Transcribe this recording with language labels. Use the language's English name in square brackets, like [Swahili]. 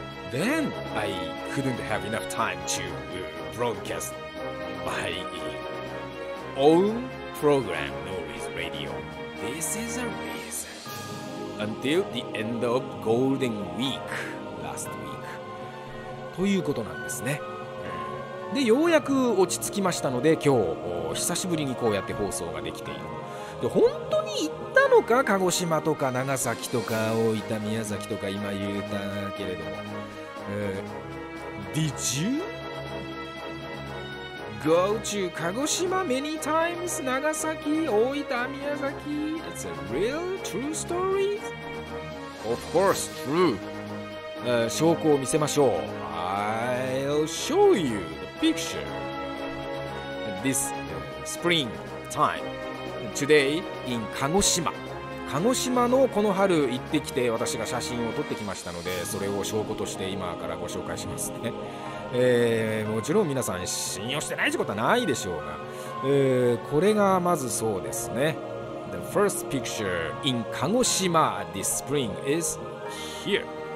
[English] Then I couldn't have enough time to broadcast my own program, Nori's Radio. This is a reason. Until the end of Golden Week last week. [Japanese] ということなんですね。でようやく落ち着きましたので、今日久しぶりにこうやって放送ができている。で本当に行ったのか、鹿児島とか長崎とか大分宮崎とか今言うたけれども、 [English] Did you go to 鹿児島 many times 長崎大分宮崎 It's a real true story? Of course true、 [Japanese] 証拠を見せましょう。 [English] I'll show youPicture. This spring time today in 鹿児島。 [Japanese] 鹿児島のこの春行ってきて私が写真を撮ってきましたので、それを証拠として今からご紹介しますね。もちろん皆さん信用してないってことはないでしょうが、これがまずそうですね。 [English] The first picture in 鹿児島 this spring is here.